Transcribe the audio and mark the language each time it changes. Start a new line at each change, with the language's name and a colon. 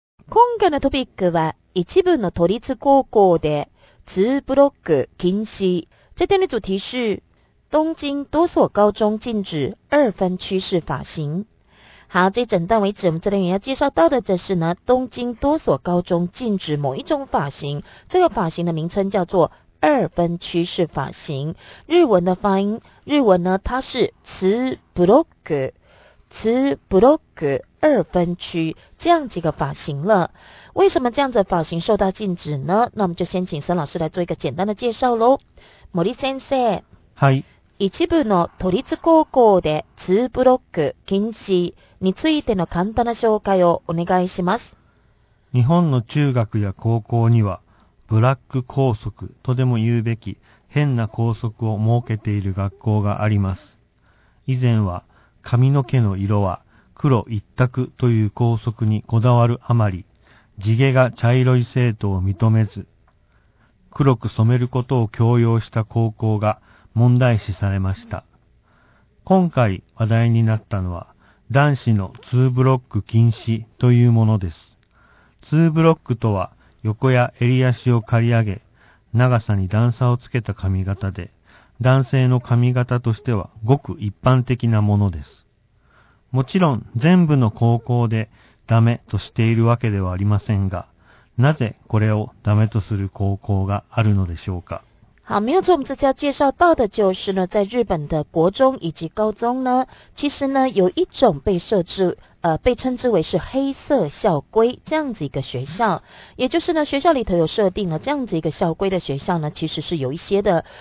Japanese: 今日のトピックは一部の都立高校で2ブロック禁止。
Chinese: 这天的主题是东京多所高中禁止二分趋势发行。好，这整段为止，我们这单元要介绍到的，这是呢东京多所高中禁止某一种发型，这个发型的名称叫做二分趋势发型，日文的发音，日文呢它是ツーブロック，ツーブロック二分区这样几个发型了。为什么这样子的发型受到禁止呢？那我们就先请森老师来做一个简单的介绍喽。
Japanese: 森先生，はい。一部の都立高校で2ブロック禁止についての簡単な紹介をお願いします。日本の中学や高校にはブラック校則とでも言うべき変な校則を設けている学校があります。以前は髪の毛の色は黒一択という校則にこだわるあまり、地毛が茶色い生徒を認めず黒く染めることを強要した高校が問題視されました。今回話題になったのは男子の2ブロック禁止というものです。 2ブロックとは横や襟足を刈り上げ、長さに段差をつけた髪型で、男性の髪型としてはごく一般的なものです。もちろん全部の高校でダメとしているわけではありませんが、なぜこれをダメとする高校があるのでしょうか。
Chinese: 好，没有错，我们这次要介绍到的就是呢，在日本的国中以及高中呢，其实呢有一种被设置，被称之为是黑色校规这样子一个学校，也就是呢学校里头有设定了这样子一个校规的学校呢，其实是有一些的。